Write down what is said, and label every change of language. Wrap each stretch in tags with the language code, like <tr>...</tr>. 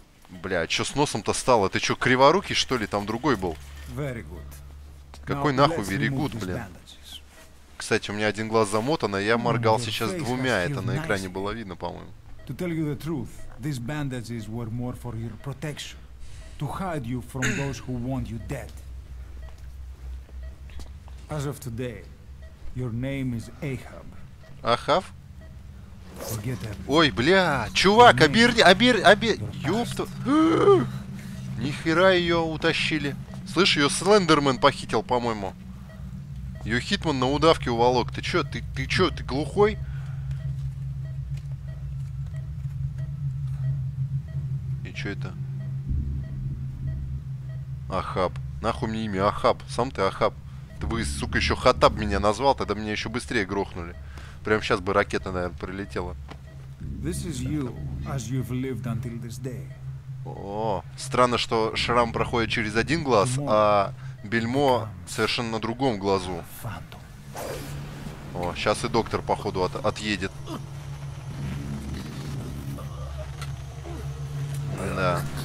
<ru>Бля, а чё с носом-то стало? Ты чё, криворукий, что ли? Там другой был.</ru> <en>Very good.</en> <ru>Какой нахуй</ru> <en>very good,</en> <ru>бля? Кстати, у меня один глаз замотан, а я моргал сейчас двумя. Это на экране было видно, по-моему.</ru> <en>To tell you the truth, these bandages were more for your protection. To hide you from those who want you dead. As of today, your name is Ahab.</en> <ru>Ахав? Ой, бля, чувак, ёпта. Нихера ее утащили. Слышь, ее Слендермен похитил, по-моему. Ее Хитман на удавке уволок. Ты чё, ты глухой? И чё это? Ахаб. Нахуй мне имя Ахаб. Сам ты Ахаб. Ты бы, сука, еще Хаттаб меня назвал, тогда меня еще быстрее грохнули. Прямо сейчас бы ракета, наверное, прилетела.</ru> <en>This is you, as you've lived until this day.</en> <ru>О, странно, что шрам проходит через один глаз, а бельмо совершенно на другом глазу. О, сейчас и доктор, походу, отъедет. Да.</ru>